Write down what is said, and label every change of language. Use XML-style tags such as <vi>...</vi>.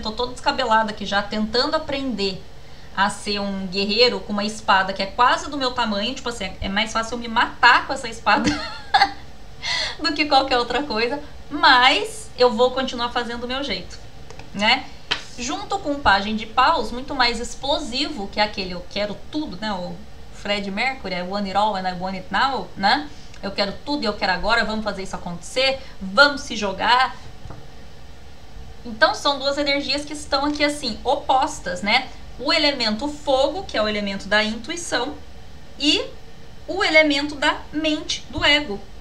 <pt>Tô toda descabelada aqui já, tentando aprender a ser um guerreiro com uma espada que é quase do meu tamanho, tipo assim, é mais fácil eu me matar com essa espada do que qualquer outra coisa, mas eu vou continuar fazendo do meu jeito, né? Junto com o pajem de paus, muito mais explosivo, que é aquele eu quero tudo, né? O Freddie Mercury,</pt> <en>I want it all and I want it now, né?</en> <pt>Eu quero tudo e eu quero agora, vamos fazer isso acontecer, vamos se jogar. Então são duas energias que estão aqui assim, opostas, né? O elemento fogo, que é o elemento da intuição, e o elemento da mente, do ego.</pt>